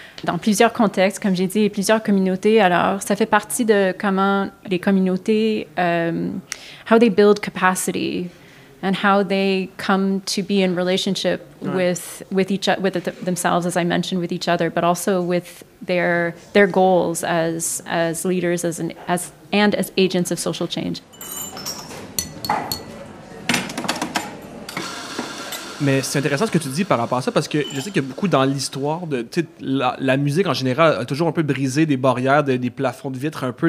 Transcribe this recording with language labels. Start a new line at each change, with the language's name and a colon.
French: Dans plusieurs contextes, comme j'ai dit, et plusieurs communautés. Alors, ça fait partie de comment les communautés,
English: how they build capacity and how they come to be in relationship with themselves, as I mentioned, with each other, but also with their goals as leaders as agents of social change.
French: Mais c'est intéressant ce que tu dis par rapport à ça, parce que je sais qu'il y a beaucoup dans l'histoire, la musique en général a toujours un peu brisé des barrières, des plafonds de vitre un peu.